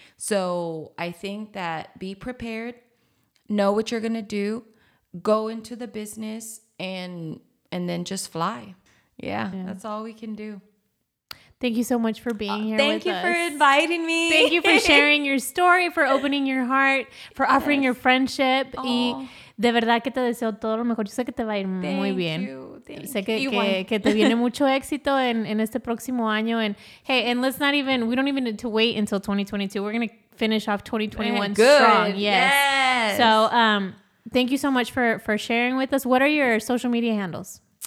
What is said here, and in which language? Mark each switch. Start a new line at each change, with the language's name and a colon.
English: So I think that be prepared, know what you're going to do. Go into the business and then just fly. Yeah, that's all we can do. Thank you so much for being here. Thank you for inviting me. Thank you for sharing your story, for opening your heart, for offering your friendship.
Spanish: Y de verdad que te deseo todo lo mejor. Yo sé que te va a ir muy bien.
English: Thank you.
Spanish: Sé que te viene mucho éxito en este próximo año.
English: And hey, and let's not even, we don't even need to wait until 2022. We're going to finish off 2021 strong. Yes. So, thank you so much for sharing with us. What are your social media handles?